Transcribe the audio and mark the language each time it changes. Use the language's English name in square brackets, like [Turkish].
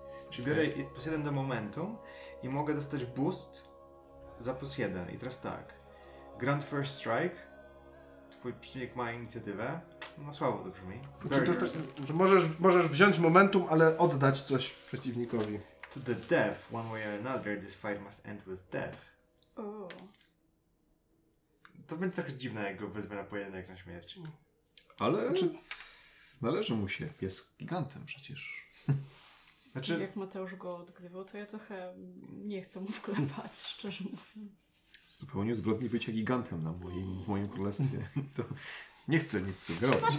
[Polish] Czyli biorę plus 1 do momentum i mogę dostać boost za plus 1. I teraz tak. [English] Grant first strike. [Polish] Twój przeciwnik ma inicjatywę. No słabo to brzmi. Że możesz wziąć momentum, ale oddać coś przeciwnikowi. [English] To the death, one way or another, this fight must end with death. Oh. [Polish] To będzie trochę dziwne, jak go wezmę na pojedynek na śmierć. Ale czy należy mu się, jest gigantem przecież. Znaczy, jak Mateusz go odgrywał, to ja trochę nie chcę mu wklepać, szczerze mówiąc. Popełnił zbrodni bycia gigantem w moim królestwie. To nie chcę nic sugerować.